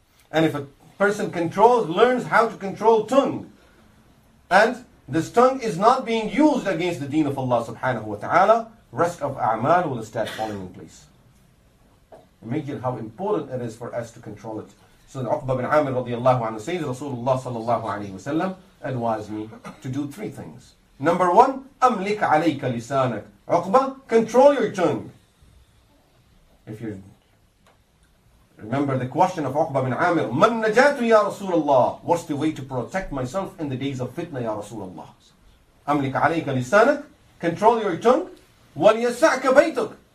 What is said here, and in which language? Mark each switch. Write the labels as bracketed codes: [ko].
[en] And if a person learns how to control tongue, and this tongue is not being used against the deen of Allah subhanahu wa ta'ala, rest of a'mal will start falling in place. Imagine how important it is for us to control it. So the Uqba bin Amir radiallahu anhu says, Rasulullah sallallahu alayhi wa sallam advised me to do three things. Number one, [ar] أَمْلِكْ عَلَيْكَ لِسَانَكَ. [en] Uqba, control your tongue. If you remember the question of Uqba bin Amir, [ar] مَنْ نَجَاتُ يَا رَسُولَ اللَّهِ. [en] What's the way to protect myself in the days of fitna, [ar] يَا رَسُولَ اللَّهِ. أَمْلِكْ عَلَيْكَ لِسَانَكَ. [en] Control your tongue. [ar] وَلْيَسَعْكَ بَيْتُكَ.